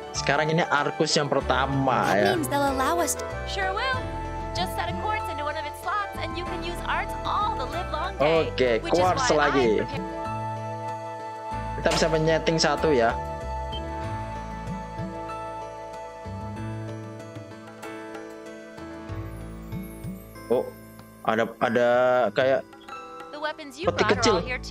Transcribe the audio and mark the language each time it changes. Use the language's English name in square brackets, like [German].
[Indonesian] Sekarang ini Arcus yang pertama ya. [English] That means they'll allow us to... Sure will. Just set a quartz into one of its slots and you can use arts all the live long day. [Indonesian] Oke, okay, quartz lagi. Kita bisa menyeting satu ya. Ada kayak peti kecil.